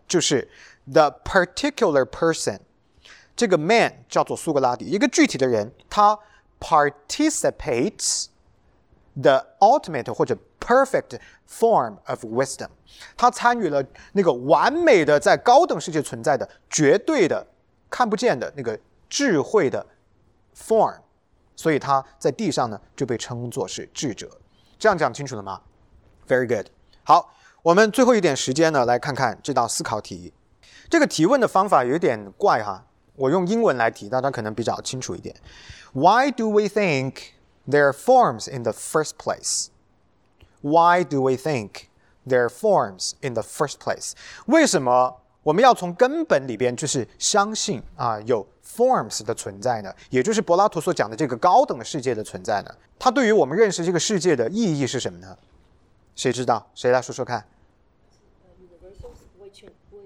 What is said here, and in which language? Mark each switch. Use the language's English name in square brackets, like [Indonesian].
[Chinese] 就是 [English] the particular person， [Chinese] 这个 man 叫做苏格拉底，一个具体的人，他 participates the ultimate 或者perfect form of wisdom， 他参与了那个完美的在高等世界存在的绝对的看不见的那个智慧的 form， 所以他在地上呢就被称作是智者。这样讲清楚了吗？ [English] Very good。 [Chinese] 好，我们最后一点时间呢，来看看这道思考题。这个提问的方法有点怪哈，我用英文来提，大家可能比较清楚一点。 [English] Why do we think there are forms in the first placeWhy do we think there are forms in the first place? [Chinese] 为什么我们要从根本里边就是相信啊有 forms 的存在呢？也就是柏拉图所讲的这个高等的世界的存在呢？它对于我们认识这个世界的意义是什么呢？谁知道？谁来说说看？ Universal 是不会